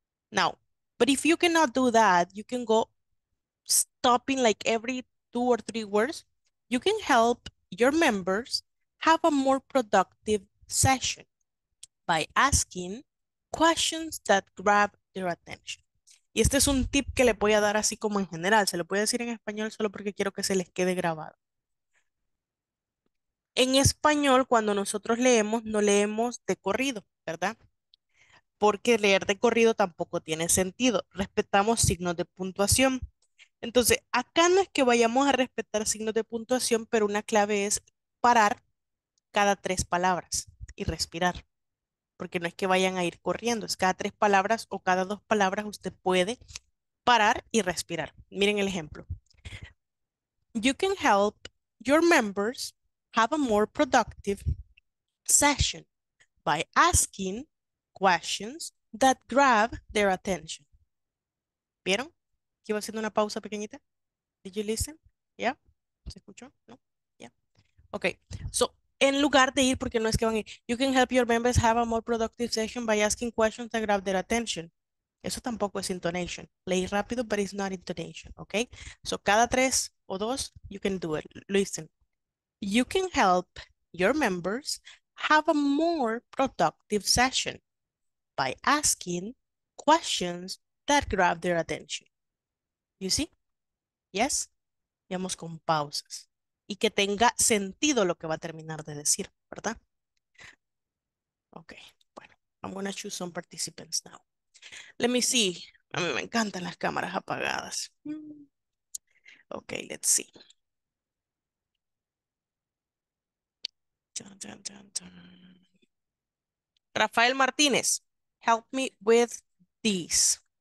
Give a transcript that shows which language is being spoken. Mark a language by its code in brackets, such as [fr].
[en] Now, but if you cannot do that, you can go stopping like every two or three words. You can help your members have a more productive session by asking questions that grab their attention. [es] Y este es un tip que le voy a dar así como en general. Se lo voy a decir en español solo porque quiero que se les quede grabado. En español, cuando nosotros leemos, no leemos de corrido, ¿verdad? Porque leer de corrido tampoco tiene sentido. Respetamos signos de puntuación. Entonces, acá no es que vayamos a respetar signos de puntuación, pero una clave es parar cada tres palabras y respirar. Porque no es que vayan a ir corriendo, es cada tres palabras o cada dos palabras usted puede parar y respirar. Miren el ejemplo. [en] You can help your members have a more productive session by asking questions that grab their attention. [es] ¿Vieron? Aquí va haciendo una pausa pequeñita. [en] Did you listen? Yeah. [es] ¿Se escuchó? No. [en] Yeah. Okay. So, [es] en lugar de ir, porque no es que van a ir, [en] you can help your members have a more productive session by asking questions that grab their attention. [es] Eso tampoco es [en] intonation. [es] Leí rápido, [en] but it's not intonation. Okay. So, [es] cada tres o dos, [en] you can do it. Listen. You can help your members have a more productive session by asking questions that grab their attention. You see? Yes? [es] Vamos con pausas. Y que tenga sentido lo que va a terminar de decir, ¿verdad? [en] Okay. [es] Bueno, [en] I'm going to choose some participants now. Let me see. [es] A mí me encantan las cámaras apagadas. [en] Okay, let's see. Dun, dun, dun, dun. Rafael Martinez, help me with this.